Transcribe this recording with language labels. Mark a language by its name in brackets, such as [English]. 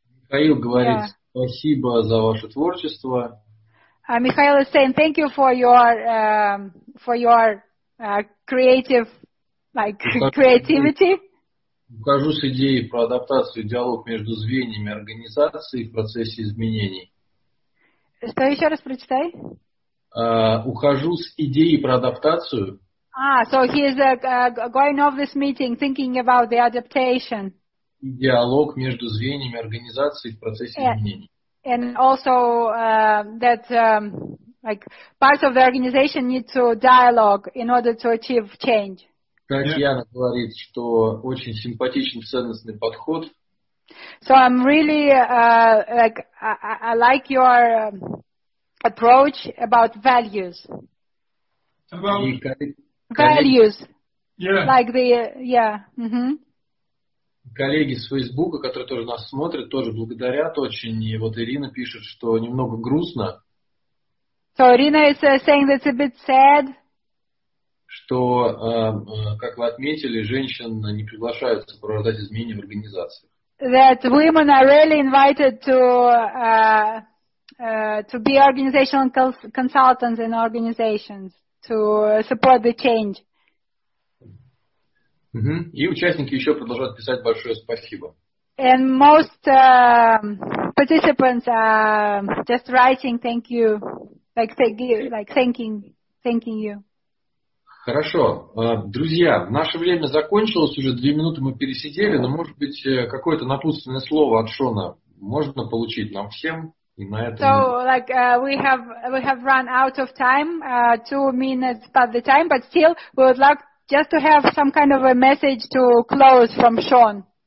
[Russian] Михаил говорит спасибо за ваше творчество. [English] Михаил is saying thank you for your creativity. [Russian] Укажу с идеей про адаптацию и диалог между звеньями организации в процессе изменений. Что еще раз прочитай? Ухожу с идеей про адаптацию. [English] So he is going off this meeting, thinking about the adaptation. [Russian] И диалог между звеньями организации в процессе изменений. [English] And also parts of the organization need to dialogue in order to achieve change. [Russian] Как Яна говорит, что очень симпатичен ценностный подход. [English] So I'm really I like your approach about values. About values. Yeah. Like the, yeah. Mm-hmm. [Russian] Коллеги с Фейсбука, которые тоже нас смотрят, тоже благодарят очень. И вот Ирина пишет, что немного грустно. [English] So Irina is saying that's a bit sad. [Russian] Что, как вы отметили, женщин не приглашают сопровождать изменения в организациях. [English] That women are rarely invited to be organizational consultants in organizations to support the change. Mm-hmm. [Russian] И участники еще продолжают писать большое спасибо. [English] And most participants are just writing thank you, thanking you. [Russian] Хорошо. Друзья, наше время закончилось, уже 2 минуты мы пересидели, но, может быть, какое-то напутственное слово от Шона можно получить нам всем и на этом. [English] So, like, we have run out of time, 2 minutes past the time, but still, we would like just to have some kind of a message to close from Sean.